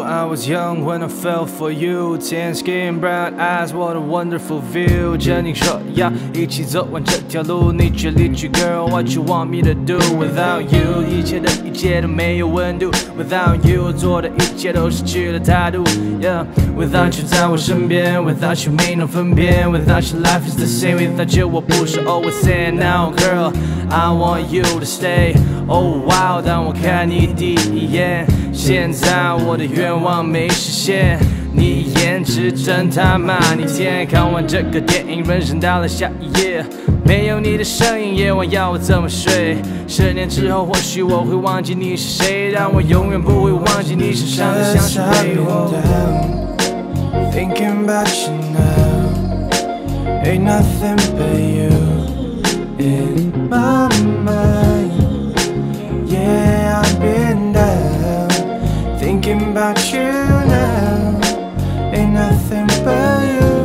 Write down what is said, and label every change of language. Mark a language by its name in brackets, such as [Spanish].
[English] I was young when I fell for you. Tan skin, brown eyes, what a wonderful view. [Chinese] 牵你手呀，一起走完这条路。你却离去 [English] ，Girl, what you want me to do without you？ [Chinese] 一切的一切都没有温度。 [English] Without you， [Chinese] 做的一切都失去了态度。 [English] Yeah， without you [Chinese] 在我身边 ， [English] without you [Chinese] 没能分辨。 [English] Without you life is the same， without you [Chinese] 我不是 [English] always saying now， girl， I want you to stay。 Oh wow， [Chinese] 当我看你第一眼。现在我的愿望没实现，你颜值真他妈逆天。看完这个电影，人生到了下一页，没有你的身影，夜晚要我怎么睡？十年之后，或许我会忘记你是谁，但我永远不会忘记你身上的香水味。 [English] Cause I've been down thinking about you now, ain't nothing but you in my mind. Yeah, I've been down. Thinking about you now, ain't nothing but you.